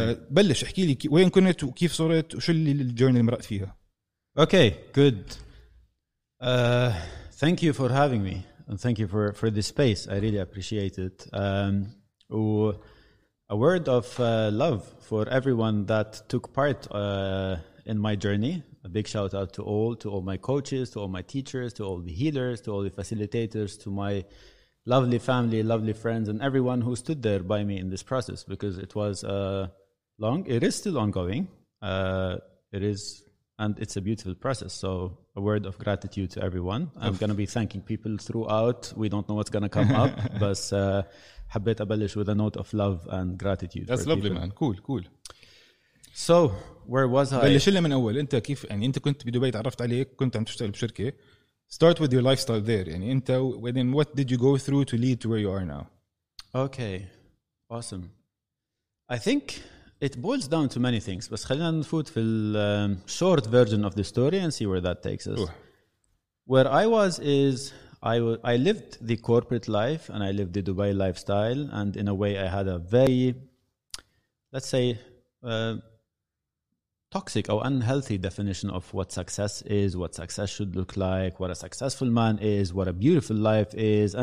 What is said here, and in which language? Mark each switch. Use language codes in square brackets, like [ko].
[ar] بلش احكي لي وين كنت وكيف صرت وشو اللي الجورني اللي مرقت فيها. [en] اوكي جود. ثانك يو فور هافينج مي اند ثانك يو فور ذا سبيس. اي ريلي ابريشيت ات. و ا وورد اوف لاف فور ايفريون ذات توك بارت in my journey. A big shout out to all my coaches, to all my teachers, to all the healers, to all the facilitators, to my lovely family, lovely friends, and everyone who stood there by me in this process, because it was long. It is still ongoing. It is, and it's a beautiful process. So a word of gratitude to everyone. I'm going to be thanking people throughout. We don't know what's going to come up, but [ar] حبيت أبلش [en] with a note of love and gratitude. That's lovely, people. Man. Cool. So, where was I? [ar] بلش لنا من أول. أنت كيف يعني أنت كنت بدبي تعرفت عليك كنت عم تشتغل بشركة. [en] Start with your lifestyle there. [ar] يعني أنت [en] then what did you go through to lead to where you are now? Okay, awesome. I think it boils down to many things. [ar] بس خلينا نفوت في ال [en] short version of the story and see where that takes us. Where I was is I lived the corporate life and I lived the Dubai lifestyle and in a way I had a very let's say toxic or unhealthy definition of what success is, what success should look like, what a successful man is, what a beautiful life is.